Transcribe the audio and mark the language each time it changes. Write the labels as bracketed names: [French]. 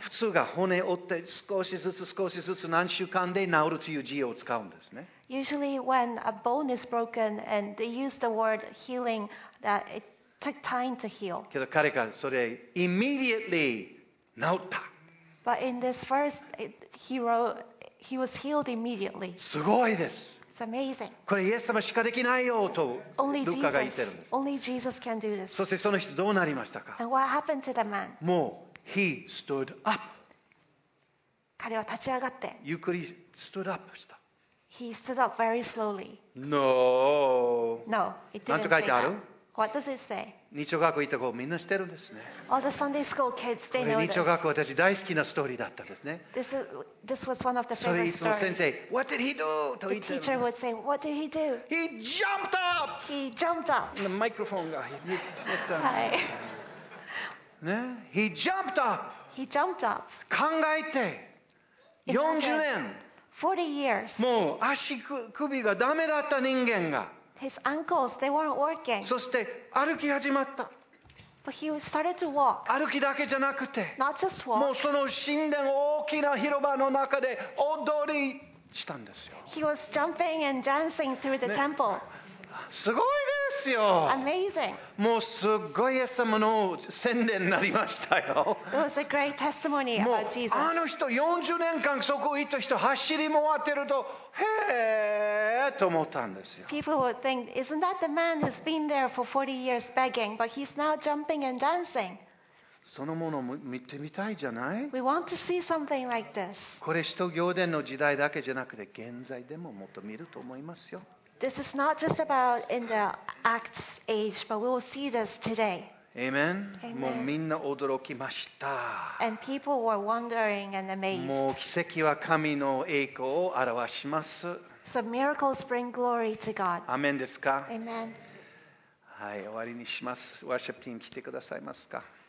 [Japanese] 普通が骨折って少しずつ少しずつ何週間で治るという字を使うんですね。 [English] Usually when a bone is broken and they use the word healing, that it took time to heal. [Japanese] けど彼がそれ [English] immediately [Japanese] 治った。 [English] But in this verse, he wrote, he was healed immediately. [Japanese] すごいです。 [English] Amazing. [Japanese] これイエス様しかできないよとルカが言ってるんです。 [English] Only Jesus can do this. [Japanese] そしてその人どうなりましたか。 [English] And what happened to the man? もう he stood up. [Japanese] 彼は立ち上がって。ゆっくり [English] stood up [Japanese] した。 [English] He stood up very slowly. No. No. It didn't. [Japanese] 何と書いてある [English] ？What does it say? [Japanese] 日曜学校行った子みんな知ってるんですね。 [English] All the Sunday school kids they know this. [Japanese] 日曜学校私大好きなストーリーだったんですね。 [English] This was one of the favorite stories. [Japanese] それいつも先生 [English] What did he do? [Japanese] と言って。 [English] The teacher would say, What did he do? He jumped up. He jumped up. The microphone guy. [Japanese] はい。 [English] ね、He jumped up. He jumped up. [Japanese] 考えて、40年。 [English] 40 years. [Japanese] もう足首がダメだった人間が。 [English] His ankles, they weren't working. [Japanese] そして歩き始まった。 [English] But he started to walk. [Japanese] 歩きだけじゃなくて、 [English] not just walk. [Japanese] もうその神殿大きな広場の中で踊りしたんですよ。 [English] He was jumping and dancing through the temple. [Japanese] すごいですよ。 [English] Amazing. [Japanese] もうすごいイエス様の宣伝になりましたよ。 [English] It was a great testimony about Jesus. [Japanese] もうあの人40年間そこ行った人走り回ってると。へーと思ったんですよ。 [English] People would think, isn't that the man who's been there for 40 years begging, but he's now jumping and dancing? [Japanese] そのものを見てみたいじゃない [English] ？We want to see something like this. [Japanese] これ使徒行伝の時代だけじゃなくて現在でももっと見ると思いますよ。 [English] This is not just about in the Acts age, but we will see this today. Amen. [Japanese] もうみんな驚きました。 [English] And people were wondering and amazed. [Japanese] もう奇跡は神の栄光を表します。 [English] So miracles bring glory to God. [Japanese] アメンですか？ [English] Amen. [Japanese] はい、終わりにします。ワーシップティーム来てくださいますか？